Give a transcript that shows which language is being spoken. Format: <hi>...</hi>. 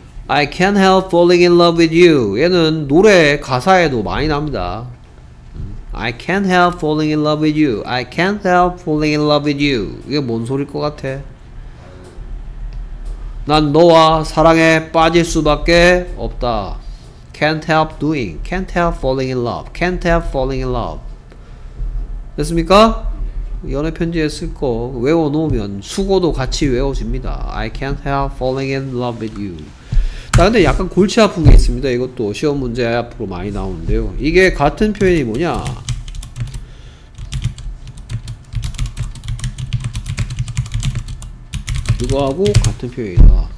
<en>I can't help falling in love with you.</en> <ko>얘는 노래 가사에도 많이 나옵니다.</ko> <en>I can't help falling in love with you. I can't help falling in love with you.</en> <ko>이게 뭔 소릴 것 같아? 난 너와 사랑에 빠질 수밖에 없다.</ko> <en>Can't help doing. Can't help falling in love. Can't help falling in love.</en> <ko>됐습니까? 연애 편지에 쓸 거 외워놓으면 수고도 같이 외워집니다.</ko> <en>I can't help falling in love with you.</en> <ko>자 근데 약간 골치 아픈 게 있습니다. 이것도 시험 문제 앞으로 많이 나오는데요. 이게 같은 표현이 뭐냐 이거하고 같은 표현이다.</ko>